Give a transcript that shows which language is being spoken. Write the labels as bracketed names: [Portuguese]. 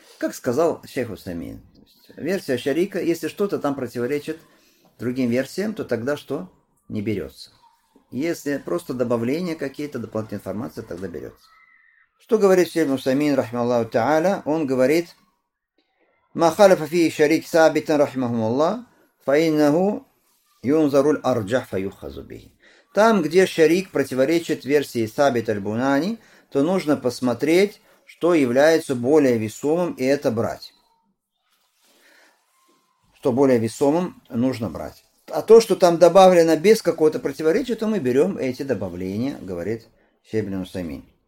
[Russian] Как сказал шейх Усаймин, версия Шарика, если что-то там противоречит другим версиям, то тогда что? Не берется. Если просто добавления какие-то, дополнительная информация, тогда берется. Что говорит шейх Усаймин, рахмаллаху та'аля? Он говорит... [Arabic] ما خالف فيه شريك ثابتا رحمه الله فإنه ينظر الأرجح فيخذ به. [Russian] Там, где шарик противоречит версии Сабит аль-Бунани, то нужно посмотреть, что является более весомым, и это брать. Что более весомым, нужно брать. А то, что там добавлено без какого-то противоречия, то мы берем эти добавления, говорит Шейх ибн Усаймин.